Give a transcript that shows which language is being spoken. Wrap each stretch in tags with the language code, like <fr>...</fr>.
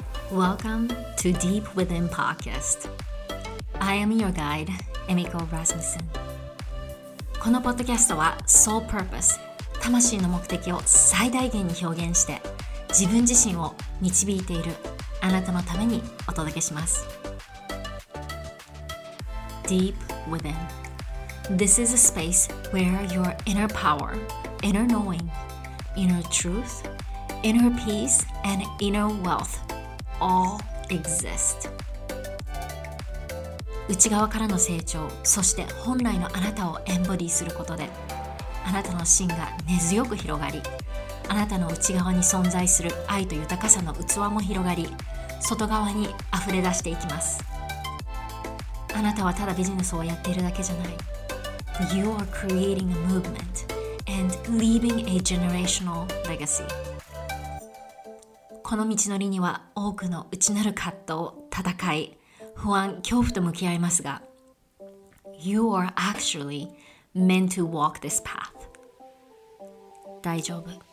<en>Welcome to Deep Within PodcastI am your guide, Emiko Rasmussen.</en> <ja>このポッドキャストは Soul Purpose、 魂の目的を最大限に表現して自分自身を導いているあなたのためにお届けします。</ja> <en>Deep Within. This is a space where your inner power, inner knowing, inner truth, inner peace and inner wealth all exist.</en> <ja>内側からの成長、そして本来のあなたをエンボディすることで、あなたの芯が根強く広がり、あなたの内側に存在する愛と豊かさの器も広がり、外側に溢れ出していきます。あなたはただビジネスをやっているだけじゃない。</ja> <en>You are creating a movement and leaving a generational legacy.</en> <ja>この道のりには多くの内なる葛藤、戦い、不安、恐怖と向き合いますが、</ja> <en>You are actually meant to walk this path.</en> <ja>大丈夫。</ja>